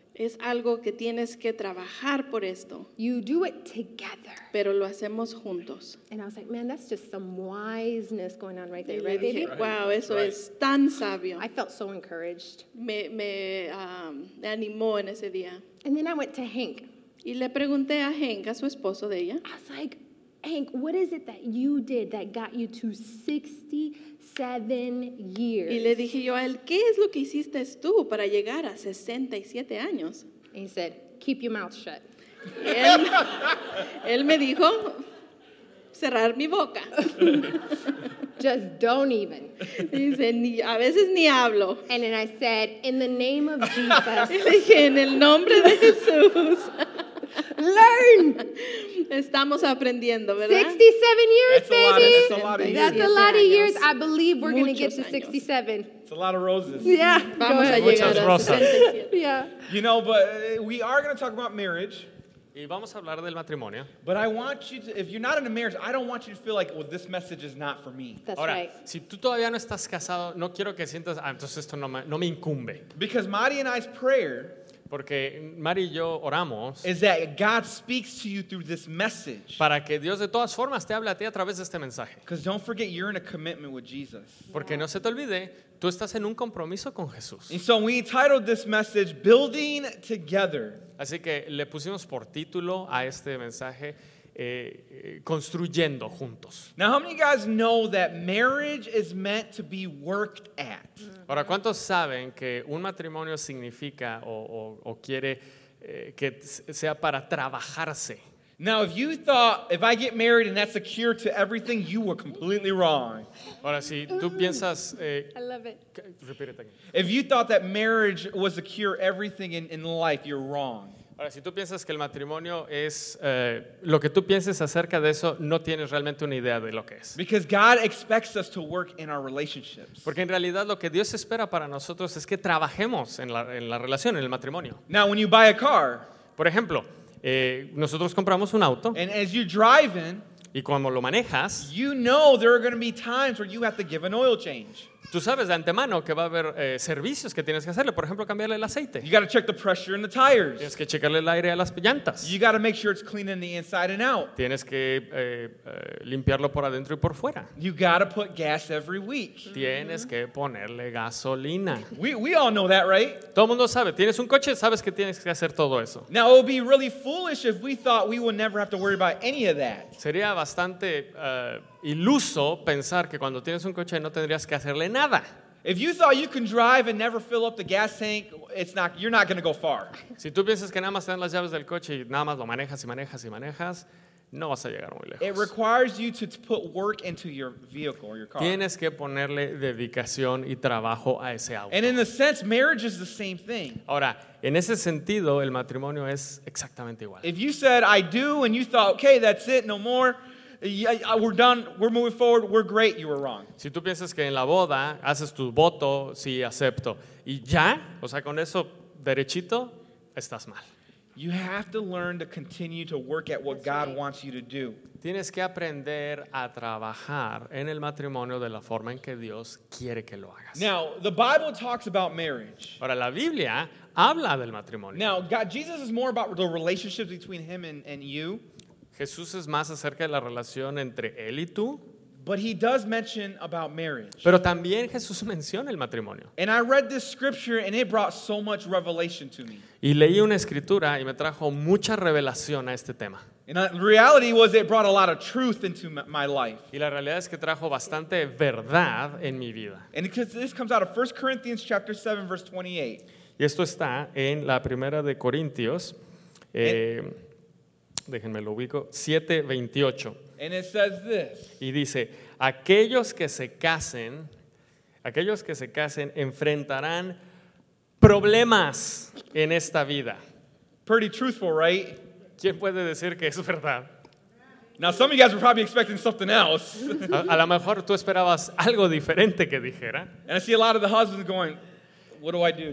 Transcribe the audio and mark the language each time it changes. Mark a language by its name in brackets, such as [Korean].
[Spanish] Es algo que tienes que trabajar por esto. [English] You do it together. [Spanish] Pero lo hacemos juntos. [English] And I was like, man, that's just some wiseness going on right there, yeah, right, baby? Right. Wow, [Spanish] eso [English] right. [Spanish] Es tan sabio. [English] I felt so encouraged. [Spanish] Me animó en ese día. [English] And then I went to Hank. [Spanish] Y le pregunté a Hank, a su esposo de ella. [English] I was like, Hank, what is it that you did that got you to 67 years? [Spanish] Y le dije yo a él, ¿qué es lo que hiciste tú para llegar a 67 años? [English] And he said, keep your mouth shut. [Spanish] Él me dijo, cerrar mi boca. [English] Just don't even. [Spanish] Y dice, a veces ni hablo. [English] And then I said, in the name of Jesus. [Spanish] Y le dije, en el nombre de Jesús. [English] Learn. [Spanish] Estamos aprendiendo, ¿verdad? [English] 67 years, that's baby. That's a lot of years. I believe we're going to get to 67. It's a lot of roses. Yeah. [Spanish] Vamos a llegar a 67. [English] Yeah. You know, but we are going to talk about marriage. [Spanish] Y vamos a hablar del matrimonio. [English] But I want you to, if you're not in a marriage, I don't want you to feel like, well, this message is not for me. That's [Spanish] ahora, [English] right. [Spanish] Si tú todavía no estás casado, no quiero que sientas, ah, entonces esto no me incumbe. [English] Because Mari and I's prayer... [Spanish] Porque Mari y yo oramos. [English] Is that God speaks to you through this message? [Spanish] Para que Dios de todas formas te hable a ti a través de este mensaje. [English] Because don't forget you're in a commitment with Jesus. [Spanish] Porque no se te olvide, tú estás en un compromiso con Jesús. [English] And so we titled this message Building Together. [Spanish] Así que le pusimos por título a este mensaje construyendo juntos. [English] Now how many guys know that marriage is meant to be worked at? [Spanish] Ahora, ¿cuántos saben que un matrimonio significa o quiere que sea para trabajarse? [English] Now if you thought if I get married and that's a cure to everything, you were completely wrong. [Spanish] Ahora si tú piensas [English] I love it. Repeat it again. If you thought that marriage was a cure everything in life, you're wrong. [Spanish] Ahora, si tú piensas que el matrimonio es lo que tú pienses acerca de eso, no tienes realmente una idea de lo que es. [English] Because God expects us to work in our relationships. [Spanish] Porque en realidad lo que Dios espera para nosotros es que trabajemos en la relación, en el matrimonio. [English] Now, when you buy a car, [Spanish] por ejemplo, nosotros compramos un auto. [English] And as you're driving, [Spanish] y cuando lo manejas, [English] you know there are going to be times where you have to give an oil change. [Spanish] Tú sabes de antemano que va a haber servicios que tienes que hacerle, por ejemplo, cambiarle el aceite. [English] You got to check the pressure in the tires. [Spanish] Tienes que checarle el aire a las llantas. [English] You got to make sure it's clean in the inside and out. [Spanish] Tienes que limpiarlo por adentro y por fuera. [English] You got to put gas every week. [Spanish] Tienes que ponerle gasolina. [English] We all know that, right? [Spanish] Todo el mundo sabe, tienes un coche, sabes que tienes que hacer todo eso. [English] Now, it would be really foolish if we thought we would never have to worry about any of that. [Spanish] Sería bastante iluso pensar que cuando tienes un coche no tendrías que hacerle nada. [English] If you thought you can drive and never fill up the gas tank, it's not, you're not going to go far. [Spanish] Si tú piensas que nada más tienes las llaves del coche y nada más lo manejas y manejas y manejas, no vas a llegar muy lejos. [English] It requires you to put work into your vehicle or your car. [Spanish] Tienes que ponerle dedicación y trabajo a ese auto. [English] And in a sense, marriage is the same thing. [Spanish] Ahora, en ese sentido, el matrimonio es exactamente igual. [English] If you said I do and you thought, okay, that's it, no more, yeah, we're done, we're moving forward, we're great, you were wrong. [Spanish] Si tú piensas que en la boda haces tu voto, sí, acepto, y ya, o sea, con eso derechito, estás mal. [English] You have to learn to continue to work at what God wants you to do. [Spanish] Tienes que aprender a trabajar en el matrimonio de la forma en que Dios quiere que lo hagas. [English] Now, the Bible talks about marriage. [Spanish] Ahora, la Biblia habla del matrimonio. [English] Now, God, Jesus is more about the relationship between him and you. [Spanish] Jesús es más acerca de la relación entre él y tú. [English] But he does mention about marriage. [Spanish] Pero también Jesús menciona el matrimonio. [English] And I read this scripture and it brought so much revelation to me. [Spanish] Y leí una escritura y me trajo mucha revelación a este tema. [English] And the reality was it brought a lot of truth into my life. [Spanish] Y la realidad es que trajo bastante verdad en mi vida. [English] And because this comes out of 1 Corinthians chapter 7 verse 28. [Spanish] Y esto está en la primera de Corintios, déjenme lo ubico, 7:28. [English] And it says this. [Spanish] Y dice, aquellos que se casen enfrentarán problemas en esta vida. [English] Pretty truthful, right? [Spanish] ¿Quién puede decir que es verdad? [English] Now some of you guys were probably expecting something else. [Spanish] A lo mejor tú esperabas algo diferente que dijera. [English] And I see a lot of the husbands going, what do I do?